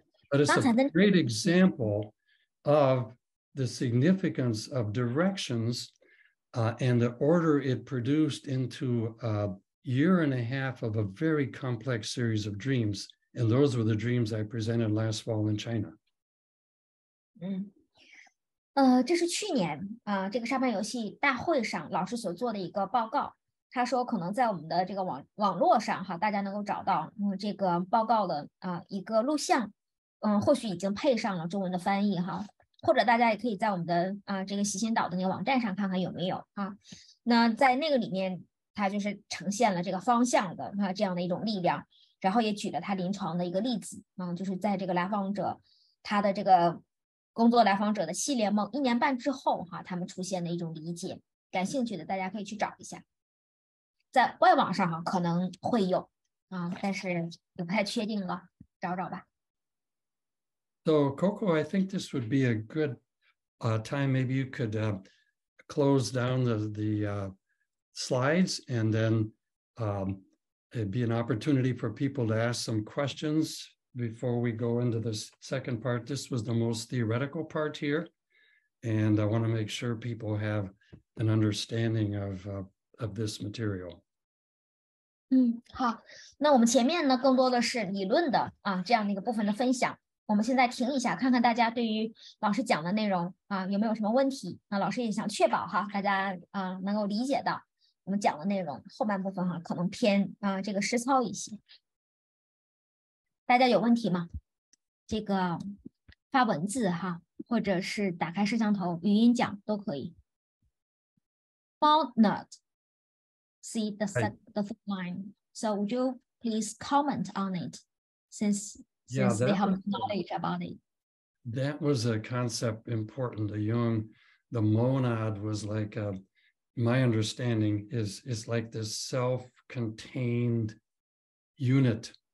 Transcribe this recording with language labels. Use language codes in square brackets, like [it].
[en] But it's a great example of the significance of directions and the order it produced into a year and a half of a very complex series of dreams. And those were the dreams I presented last fall in China. Mm. [zh] 这是去年这个沙盘游戏大会上老师所做的一个报告。他说可能在我们的这个网络上哈大家能够找到这个报告的一个录像或许已经配上了中文的翻译哈。或者大家也可以在我们的这个习心岛的那个网站上看看有没有啊。那在那个里面他就是呈现了这个方向的这样的一种力量，然后也举了他临床的一个例子就是在这个来访者他的这个工作来访者的系列梦一年半之后哈，他们出现的一种理解，感兴趣的大家可以去找一下，在外网上哈可能会有但是也不太确定了，找找吧。 [en] So Coco, I think this would be a good time, maybe you could close down the slides and then it'd be an opportunity for people to ask some questionsBefore we go into this second part, this was the most theoretical part here. And I want to make sure people have an understanding of this material. [zh] 好，那我们前面呢更多的是理论的这样的一个部分的分享。我们现在停一下，看看大家对于老师讲的内容有没有什么问题。那老师也想确保哈大家能够理解到我们讲的内容，后半部分哈可能偏这个实操一些。大家有问题吗？这个发文字哈，或者是打开摄像头语音讲都可以。 [en] Bald nut, see the third line. So would you please comment on it, since they have knowledge about it? That was a concept important. The monad was like my understanding is like this self-contained unit.